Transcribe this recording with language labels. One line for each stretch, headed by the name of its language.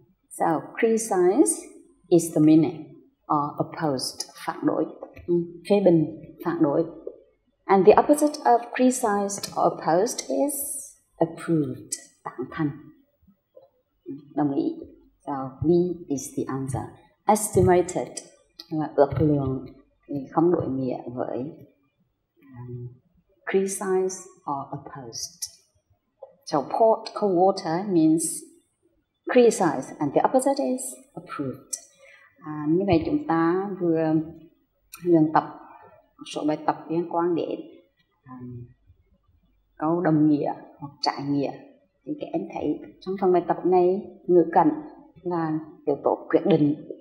English: So criticize is the meaning, or opposed,
Vietnamese: phản đối, phê bình, phản đối.
English: And the opposite of criticized or opposed is approved,
Vietnamese: tán thành, đồng ý.
English: So B is the answer.
Vietnamese: Estimated là ước lượng, thì không đổi nghĩa với criticized or opposed.
English: So poured cold water means criticized, and the opposite is approved.
Vietnamese: Như vậy chúng ta vừa luyện tập một số bài tập liên quan đến câu đồng nghĩa hoặc trái nghĩa. Thì các em thấy trong phần bài tập này, ngữ cảnh là yếu tố quyết định.